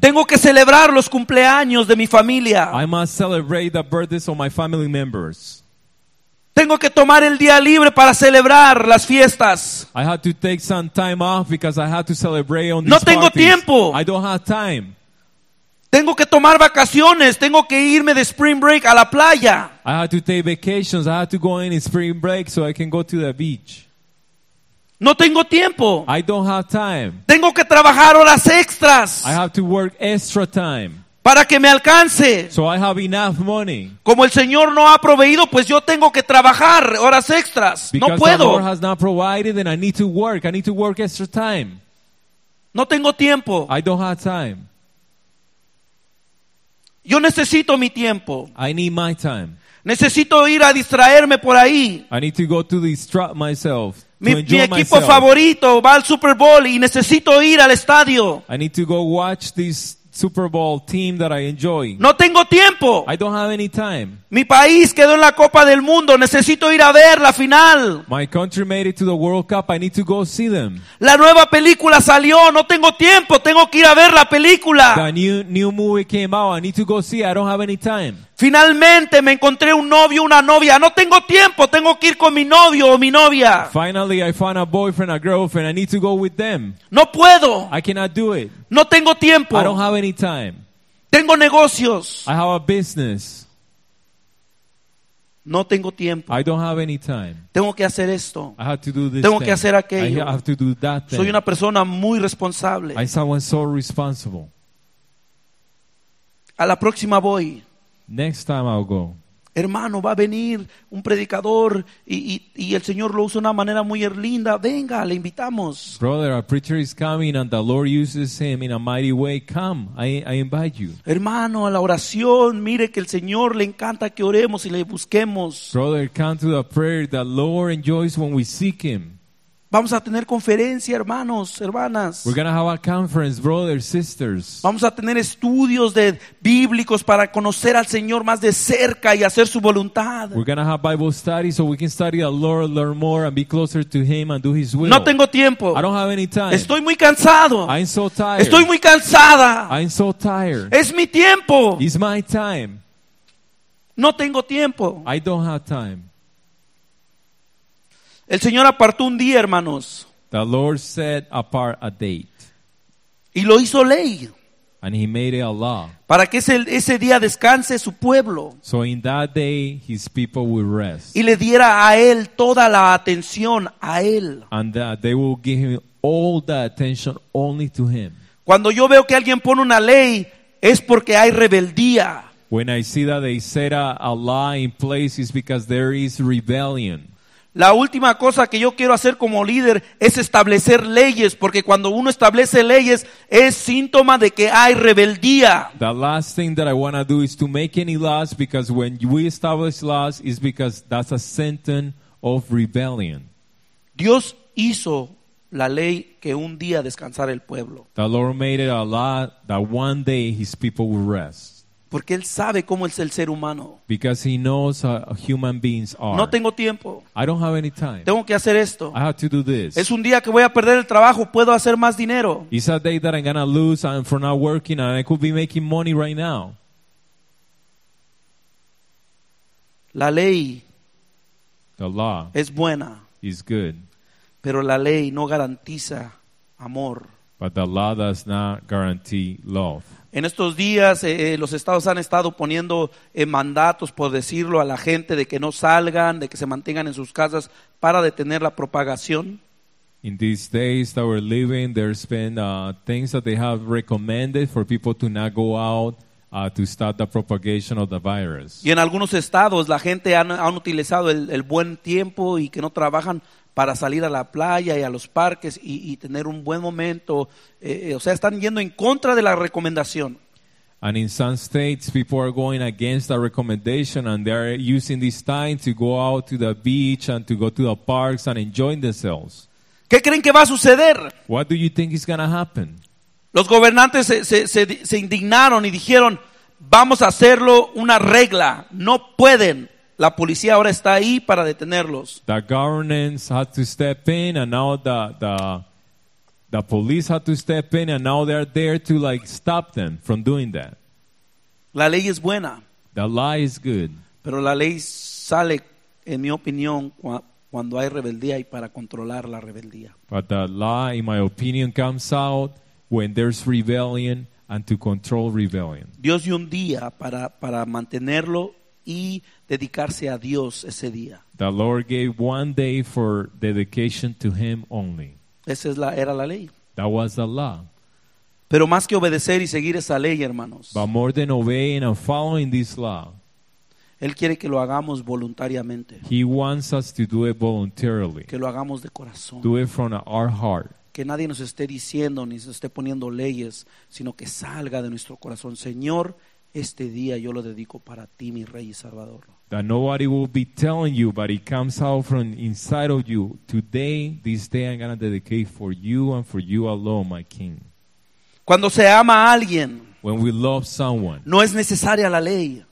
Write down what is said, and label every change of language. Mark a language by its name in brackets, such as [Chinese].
[Spanish] Tengo que celebrar los cumpleaños de mi familia. [English] I must celebrate the birthdays of my family members. [Spanish] Tengo que tomar el día libre para celebrar las fiestas. [English] I had to take some time off because I had to celebrate on [Spanish] No tengo [English] parties. [Spanish] Tiempo. [English] I don't have time. [Spanish] Tengo que tomar vacaciones. Tengo que irme de spring break a la playa. [English] I had to take vacations. I had to go in spring break so I can go to the beach. [Spanish] No tengo tiempo. [English] I don't have time. [Spanish] Tengo que trabajar horas extras. [English] I have to work extra time. [Spanish] Para que me alcance. [English] So I have enough money. [Spanish] Como el Señor no ha proveído, pues yo tengo que trabajar horas extras. [English] Because [Spanish] no puedo. [English] The Lord has not provided, then I need to work. I need to work extra time. [Spanish] No tengo tiempo. [English] I don't have time. [Spanish] Yo necesito mi tiempo. [English] I need my time. [Spanish] Necesito ir a distraerme por ahí. [English] I need to go to distract myself. [Spanish] Mi equipo favorito va al Super Bowl y necesito ir al estadio. [English] I need to go watch this Super Bowl team that I enjoy. [Spanish] No tengo tiempo. [English] I don't have any time. [Spanish] Mi país quedó en la Copa del Mundo. Necesito ir a ver la final. [English] My country made it to the World Cup. I need to go see them. [Spanish] La nueva película salió. No tengo tiempo. Tengo que ir a ver la película. [English] The new movie came out. I need to go see. I don't have any time. [Spanish] Finalmente me encontré un novio, una novia. No tengo tiempo. Tengo que ir con mi novio o mi novia. [English] Finally, I found a boyfriend, a girlfriend. I need to go with them. [Spanish] No puedo. [English] I cannot do it. [Spanish] No tengo tiempo. [English] I don't have any time. [Spanish] Tengo negocios. [English] I have a business. [Spanish] No tengo tiempo. [English] I don't have any time. [Spanish] Tengo que hacer esto. [English] I have to do this. [Spanish] Tengo [English] thing. [Spanish] Que hacer aquello. [English] I have to do that thing. [Spanish] Soy una persona muy responsable. [English] I'm someone so responsible. [Spanish] A la próxima voy. [English] Next time I'll go. [Spanish] Hermano, va a venir un predicador y el Señor lo usa de una manera muy linda. Venga, le invitamos. [English] Brother, a preacher is coming and the Lord uses him in a mighty way. Come, I invite you. [Spanish] Hermano, a la oración, mire que el Señor le encanta que oremos y le busquemos. [English] Brother, come to the prayer. The Lord enjoys when we seek him. [Spanish] Vamos a tener conferencia, hermanos, hermanas. [English] We're gonna have a conference, brothers, sisters. [Spanish] Vamos a tener estudios de bíblicos para conocer al Señor más de cerca y hacer su voluntad. [English] We're gonna have Bible studies so we can study the Lord, learn more and be closer to him and do his will. [Spanish] No tengo tiempo. [English] I don't have any time. [Spanish] Estoy muy cansado. [English] I'm so tired. [Spanish] Estoy muy cansada. [English] I'm so tired. [Spanish] Es mi tiempo. [English] It's my time. [Spanish] No tengo tiempo. [English] I don't have time. [Spanish] El Señor apartó un día, hermanos. [English] The Lord set apart a date. [Spanish] Y lo hizo ley. [English] And he made it a law. [Spanish] Para que ese día descanse su pueblo. [English] So in that day, his people will rest. [Spanish] Y le diera a él toda la atención a él. [English] And that they will give him all the attention only to him. [Spanish] Cuando yo veo que alguien pone una ley, es porque hay rebeldía. [English] When I see that they set a law in place, it's because there is rebellion. [Spanish] La última cosa que yo quiero hacer como líder es establecer leyes, porque cuando uno establece leyes es síntoma de que hay rebeldía. [English] The last thing that I want to do is to make any laws, because when we establish laws is because that's a symptom of rebellion. [Spanish] Dios hizo la ley que un día descansara el pueblo. [English] The Lord made it a law that one day his people will rest. [Spanish] Porque él sabe cómo es el ser humano. [English] Because he knows how human beings are. [Spanish] No tengo tiempo. [English] I don't have any time. [Spanish] Tengo que hacer esto. [English] I have to do this. [Spanish] Es un día que voy a perder el trabajo, puedo hacer más dinero. [English] It's a day that I'm gonna lose and for not working and I could be making money right now. [Spanish] La ley. [English] The law. [Spanish] Es buena. [English] Is good. [Spanish] Pero la ley no garantiza amor. [English] But the law does not guarantee love. [Spanish] En estos días los estados han estado poniendo mandatos, por decirlo, a la gente de que no salgan, de que se mantengan en sus casas para detener la propagación. [English] In these days that we're living, there's been things that they have recommended for people to not go out to stop the propagation of the virus. [Spanish] Y en algunos estados la gente han utilizado el buen tiempo y que no trabajan para salir a la playa y a los parques y tener un buen momento. O sea, están yendo en contra de la recomendación. [English] And in some states, people are going against the recommendation and they are using this time to go out to the beach and to go to the parks and enjoy themselves. [Spanish] ¿Qué creen que va a suceder? [English] What do you think is going to happen? [Spanish] Los gobernantes se indignaron y dijeron, vamos a hacerlo una regla. No pueden. La policía ahora está ahí para detenerlos. [English] The governance had to step in, and now the police had to step in, and now they're there to like stop them from doing that. [Spanish] La ley es buena. [English] The law is good. [Spanish] Pero la ley sale, en mi opinión, cuando hay rebeldía y para controlar la rebeldía. [English] But the law, in my opinion, comes out when there's rebellion and to control rebellion. [Spanish] Dios dio un día para mantenerlo y dedicarse a Dios ese día. [English] The Lord gave one day for dedication to him only. [Spanish] Esa es la, era la ley. [English] That was the law. [Spanish] Pero más que obedecer y seguir esa ley, hermanos. [English] But more than obeying and following this law. [Spanish] Él quiere que lo hagamos voluntariamente. [English] He wants us to do it voluntarily. [Spanish] Que lo hagamos de corazón. [English] Do it from our heart. [Spanish] Que nadie nos esté diciendo ni se esté poniendo leyes, sino que salga de nuestro corazón. Señor, este día yo lo dedico para ti, mi Rey y Salvador. [English] That nobody will be telling you, but it comes out from inside of you. Today, this day I'm going to dedicate for you and for you alone, my King. [Spanish] Cuando se ama a alguien, [English] when we love someone, [Spanish] no es necesaria la ley.